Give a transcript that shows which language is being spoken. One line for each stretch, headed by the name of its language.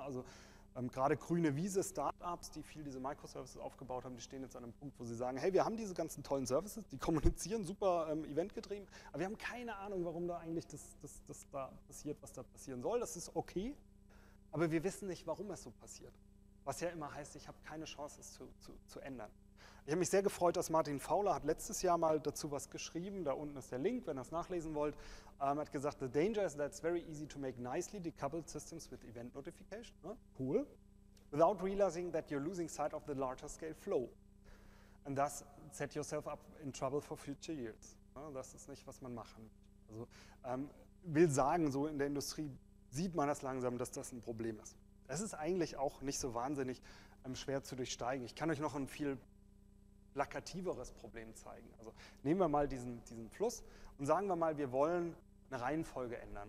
German: Also gerade grüne Wiese Startups, die viel diese Microservices aufgebaut haben, die stehen jetzt an einem Punkt, wo sie sagen, hey, wir haben diese ganzen tollen Services, die kommunizieren, super eventgetrieben, aber wir haben keine Ahnung, warum da eigentlich das da passiert, was da passieren soll. Das ist okay, aber wir wissen nicht, warum es so passiert. Was ja immer heißt, ich habe keine Chance, es zu ändern. Ich habe mich sehr gefreut, dass Martin Fowler hat letztes Jahr mal dazu was geschrieben, da unten ist der Link, wenn ihr das nachlesen wollt. Hat gesagt,
English: the danger is that it's very easy to make nicely decoupled systems with event notification. Ne? Cool. Without realizing that you're losing sight of the larger scale flow. And thus set yourself up in trouble for future years. Ne?
German: Das ist nicht, was man machen will. Also will sagen, so in der Industrie sieht man das langsam, dass das ein Problem ist. Es ist eigentlich auch nicht so wahnsinnig schwer zu durchsteigen. Ich kann euch noch ein viel plakativeres Problem zeigen. Also nehmen wir mal diesen Fluss und sagen wir mal, wir wollen eine Reihenfolge ändern.